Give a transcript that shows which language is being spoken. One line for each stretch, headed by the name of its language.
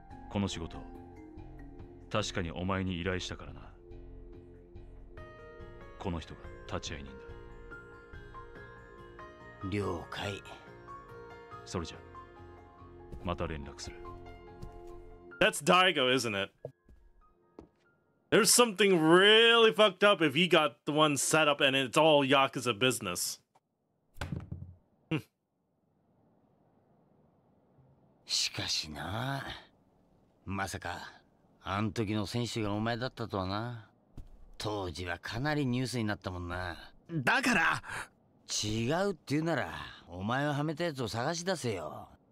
Japanese: この仕事、確かにお前に依頼したからな。この人が立ち会い人だ。了解。それじゃまた連絡する。
English: That's Daigo, isn't it? There's something really fucked up if he got the one set up and it's all Yakuza business.
Japanese: しかしな、まさかあん時の選手がお前だったとはな。当時はかなりニュースになったもんな。だから違うって言うならお前をはめたやつを探し出せよ。